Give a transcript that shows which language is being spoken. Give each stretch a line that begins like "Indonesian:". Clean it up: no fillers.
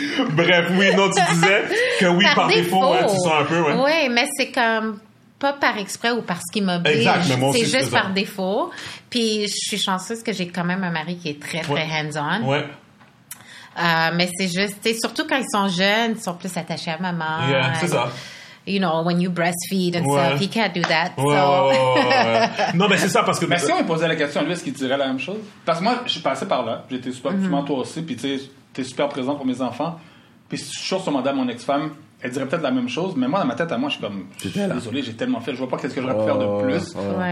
French: Bref, oui, non, tu disais que oui, par défaut, tu sens un peu, ouais. Oui, mais c'est comme. Pas par exprès ou parce qu'il m'oblige. C'est juste par défaut. Puis je suis chanceuse que j'ai quand même un mari qui est très, très hands-on. Ouais. Mais c'est juste, surtout quand ils sont jeunes, ils sont plus attachés à maman. Yeah, c'est ça.
English: You know, when you breastfeed and stuff, he can't do that.
French: Ouais,
English: so.
French: Ouais. Non, mais c'est ça parce que. Mais si on me posait la question, lui, est-ce qu'il dirait la même chose? Parce que moi, je suis passé par là. J'étais super mm-hmm. toi aussi. Puis tu sais, t'es super présent pour mes enfants. Puis je suis toujours sur mandat à mon ex-femme. Elle dirait peut-être la même chose, mais moi, dans ma tête, à moi, je suis comme, désolé, j'ai tellement fait, je vois pas qu'est-ce que j'aurais pu faire de plus, ouais.